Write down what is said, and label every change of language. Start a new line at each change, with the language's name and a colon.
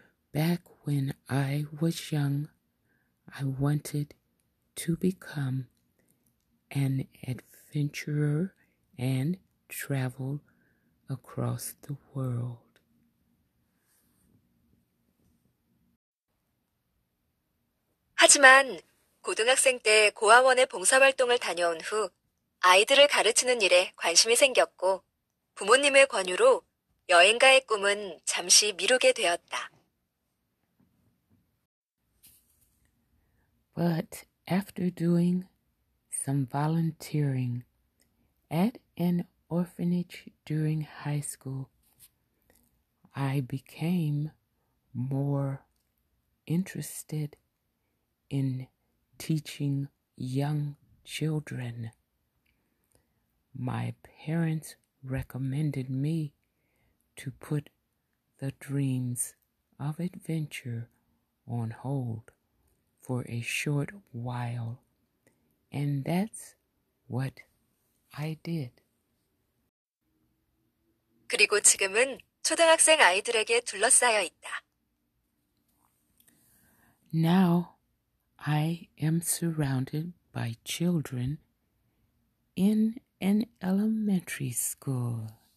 English: Back when I was young, I wanted to become an adventurer and travel across the world.
Korean: Haziman, 고등학생 때 고아원에 봉사활동을 다녀온 후 아이들을 가르치는 일에 관심이 생겼고 부모님의 권유로 여행가의 꿈은 잠시 미루게 되었다.
English: But after doing some volunteering at an orphanage during high school, I became more interested in teaching young children. My parents recommended me to put the dreams of adventure on hold for a short while, and that's what I did.
Korean: 그리고 지금은 초등학생 아이들에게 둘러싸여 있다.
English: Now I am surrounded by children in an elementary school.